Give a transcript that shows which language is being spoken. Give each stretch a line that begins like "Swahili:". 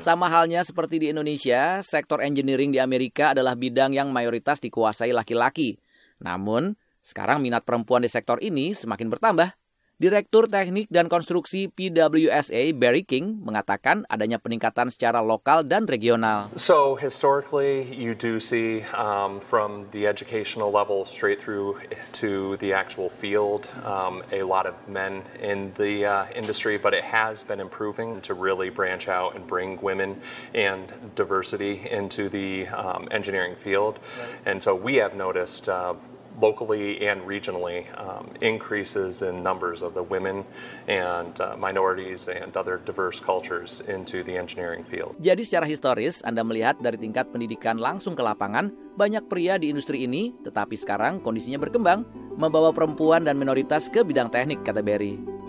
Indonesian: Sama halnya seperti di Indonesia, sektor engineering di Amerika adalah bidang yang mayoritas dikuasai laki-laki. Namun, sekarang minat perempuan di sektor ini semakin bertambah. Direktur Teknik dan Konstruksi PWSA, Barry King, mengatakan adanya peningkatan secara lokal dan regional.
English: So, historically, you do see from the educational level straight through to the actual field, a lot of men in the industry, but it has been improving to really branch out and bring women and diversity into the engineering field. And so we have noticed locally and regionally, increases in numbers of the women and minorities and other diverse cultures into the engineering field.
Indonesian: Jadi secara historis, Anda melihat dari tingkat pendidikan langsung ke lapangan, banyak pria di industri ini, tetapi sekarang kondisinya berkembang, membawa perempuan dan minoritas ke bidang teknik, kata Barry.